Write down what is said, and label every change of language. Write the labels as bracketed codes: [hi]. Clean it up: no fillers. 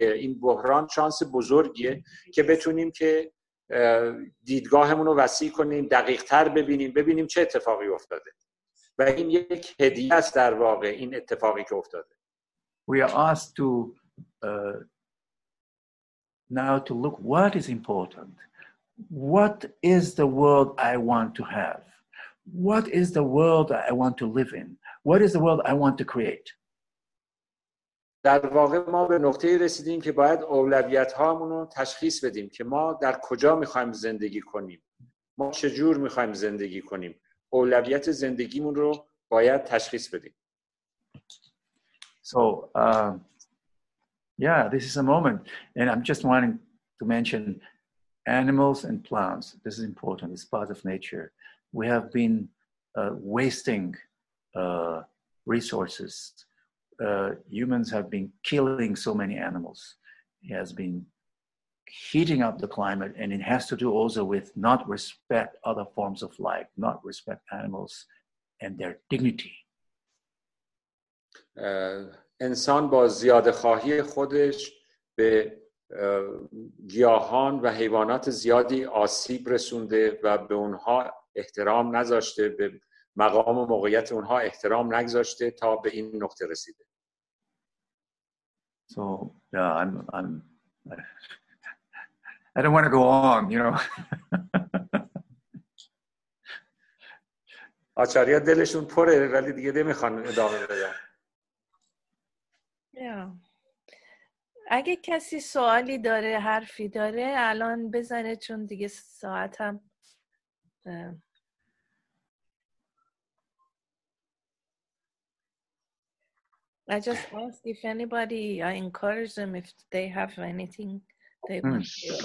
[fa] این بحران شانس بزرگیه که بتونیم که دیدگاهمون رو وسیع کنیم، دقیق تر ببینیم چه اتفاقی افتاده، و این یک هدیه است در واقع، این اتفاقی که افتاده. [en] We are asked to now to look what is important. What is the world I want to have? What is the world I want to live in? What is the world I want to create? [fa] در واقع ما به نقطه‌ای رسیدیم که باید اولویت‌هامون رو تشخیص بدیم که ما در کجا می‌خوایم زندگی کنیم. ما چه جور می‌خوایم زندگی کنیم؟ اولویت زندگیمون رو باید تشخیص بدیم. [en] So Yeah, this is a moment. And I'm just wanting to mention animals and plants. This is important. It's part of nature. We have been wasting resources. Humans have been killing so many animals. It has been heating up the climate, and it has to do also with not respect other forms of life, not respect animals and their dignity. [fa] انسان با زیاده خواهی خودش به گیاهان و حیوانات زیادی آسیب رسونده و به اونها احترام نذاشته، به مقام و موقعیت اونها احترام نگذاشته تا به این نقطه رسیده. [en] So yeah, I don't want to go on, you know. [fa] آچاریا دلشون پره ولی دیگه نمیخوان ادامه بدن. [en] Yeah. [fa] اگه کسی سوالی داره، حرفی داره، الان بزنه چون دیگه ساعتم [en] I just asked if anybody, I encourage them if they have anything they want to say.